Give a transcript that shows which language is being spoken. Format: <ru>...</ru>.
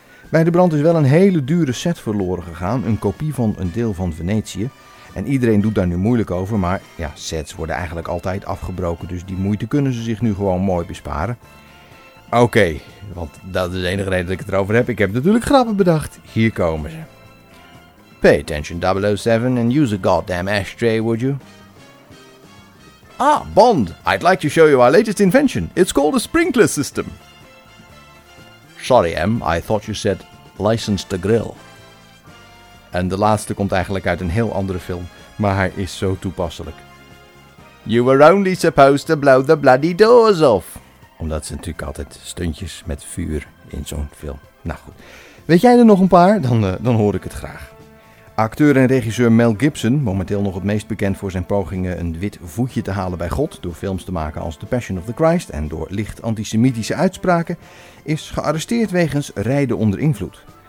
<nl>Bij de brand is wel een hele dure set verloren gegaan, een kopie van een deel van Venetië. En iedereen doet daar nu moeilijk over, maar ja, sets worden eigenlijk altijd afgebroken, dus die moeite kunnen ze zich nu gewoon mooi besparen. Oké, want dat is de enige reden dat ik het erover heb. Ik heb natuurlijk grappen bedacht. Hier komen ze.</nl> <en>Pay attention, 007, and use a goddamn ashtray, would you? Ah, Bond, I'd like to show you our latest invention. It's called a sprinkler system. Sorry, M, I thought you said license to grill.</en> <nl>En de laatste komt eigenlijk uit een heel andere film, maar hij is zo toepasselijk.</nl> <en>You were only supposed to blow the bloody doors off.</en> <nl>Omdat ze natuurlijk altijd stuntjes met vuur in zo'n film. Nou goed, weet jij er nog een paar? Dan hoor ik het graag. Acteur en regisseur Mel Gibson, momenteel nog het meest bekend voor zijn pogingen een wit voetje te halen bij God door films te maken als The Passion of the Christ en door licht antisemitische uitspraken, is gearresteerd wegens rijden onder invloed.</nl>